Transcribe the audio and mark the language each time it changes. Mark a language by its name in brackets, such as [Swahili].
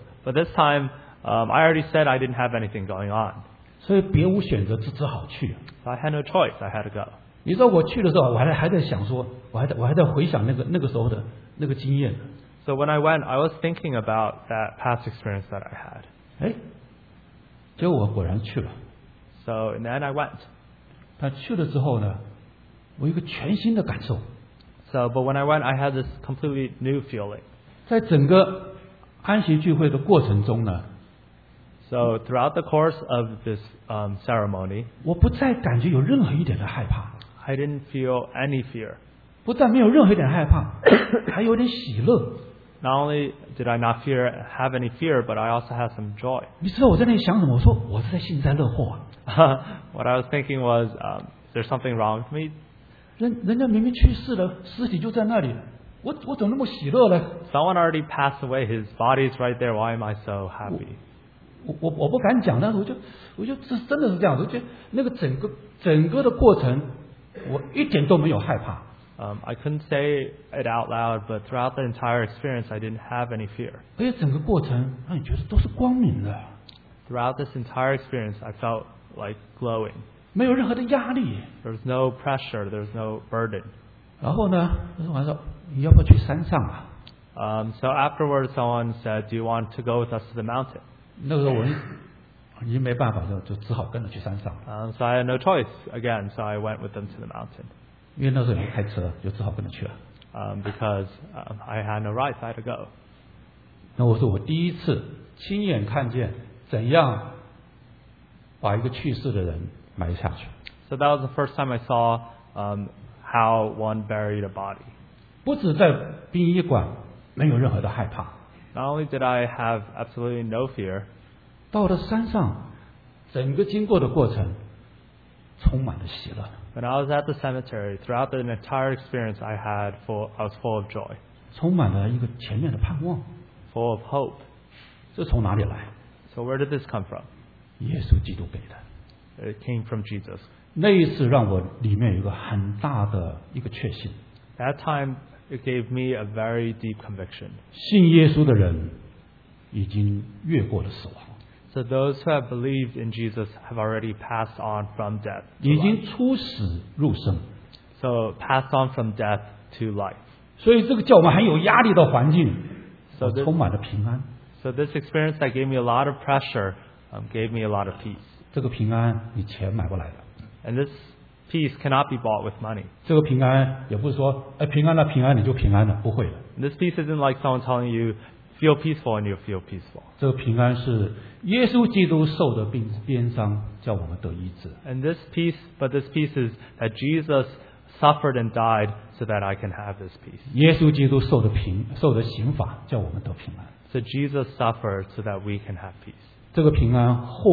[English] But this time, I already said I didn't have anything going on. [Chinese] 所以别无选择，只好去。 [English] I had no choice. I had to go. [Chinese] 你知道我去的时候，我还在想说，我还在回想那个时候的那个经验。 [English] So when I went, I was thinking about that past experience that I had. [Chinese] 哎，结果我果然去了。 [English] So and then I went. [Chinese] 但去了之后呢，我有一个全新的感受。 [English] So but when I went, I had this completely new feeling. [Chinese] 在整个安息聚会的过程中呢。 [English] So throughout the course of this ceremony, [Chinese] 我不再感觉有任何一点的害怕, [English] I didn't feel any fear. [Chinese] 不但没有任何一点害怕, 还有点喜乐。 [English] Not only did I not fear, have any fear, but I also had some joy. [Chinese] 你知道我在那里想什么? 我说, 我是在幸灾乐祸。 [English] What I was thinking was, is there something wrong with me? [Chinese] 人家明明去世了, 尸体就在那里。我怎么那么喜乐呢? [English] Someone already passed away, his body's right there, why am I so happy? [Chinese] 我不敢讲，但是我就真的是这样，我觉得那个整个的过程，我一点都没有害怕。 [English] I couldn't say it out loud, but throughout the entire experience, I didn't have any fear. [Chinese] 而且整个过程让你觉得都是光明的。 [English] Throughout this entire experience, I felt like glowing. [Chinese] 没有任何的压力。 [English] There was no pressure. There was no burden. [Chinese] 然后呢，我说，你要不要去山上啊？ [English] So afterwards, someone said, "Do you want to go with us to the mountain?" [Chinese] 那个时候我已经没办法，就只好跟着去山上。 [English] So I had no choice again, so I went with them to the mountain. [Chinese] 因为那时候没开车，就只好跟着去了。 [English] Because I had no right, I had to go. [Chinese] 那我说我第一次亲眼看见怎样把一个去世的人埋下去。 [English] So that was the first time I saw how one buried a body. [Chinese] 不止在殡仪馆没有任何的害怕。 [English] Not only did I have absolutely no fear, [Chinese] 到了山上, 整个经过的过程, 充满了喜乐。 [English] When I was at the cemetery, throughout the entire experience I had, I was full of joy. [Chinese] 充满了一个前面的盼望, [English] full of hope. [Chinese] 这从哪里来? [English] So where did this come from? [Chinese] 耶稣基督给的。 [English] It came from Jesus. [Chinese] 那一次让我里面有一个很大的一个确信。 [English] That time, it gave me a very deep conviction. [Chinese] 信耶稣的人已经越过了死亡。 [English] So those who have believed in Jesus have already passed on from death to life. [Chinese] 已经出死入生。 [English] So passed on from death to life. [Chinese] 所以这个叫我们很有压力的环境, 充满了平安。 [English] So this experience that gave me a lot of pressure gave me a lot of peace. [Chinese] 这个平安你钱买不来的。 [English] And this peace cannot be bought with money. [Chinese] 这个平安也不是说, 哎, 平安了, 平安你就平安了, 不会的。 [English] This peace isn't like someone telling you, feel peaceful and you'll feel peaceful. [Chinese] 这个平安是耶稣基督受的鞭伤, [English] and this peace, but this peace is that Jesus suffered and died so that I can have this peace. [Chinese] 耶稣基督受的刑罚, [English] so Jesus suffered so that we can have peace.